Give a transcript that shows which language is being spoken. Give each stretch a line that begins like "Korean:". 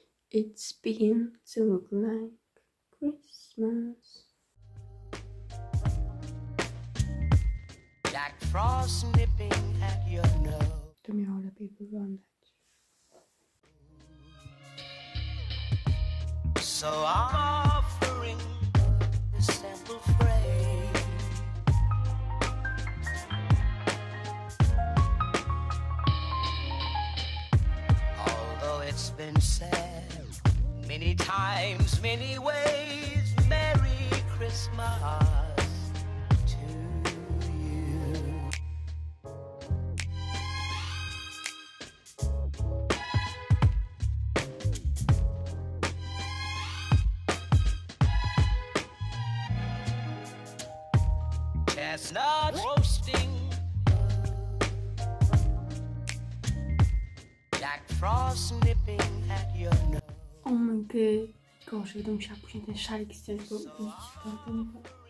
English: It's beginning to look like Christmas. Like frost nipping at your nose.
Polish: To miało lepiej wyglądać.
English: So I'm offering a simple phrase. Although it's been said many times, many ways, Merry Christmas to you. Chestnuts roasting, Jack Frost nipping at your nose. Oh my god, gosh,
Polish: będę musiała później ten szalik zdjąć, bo widzicie, to nie ma.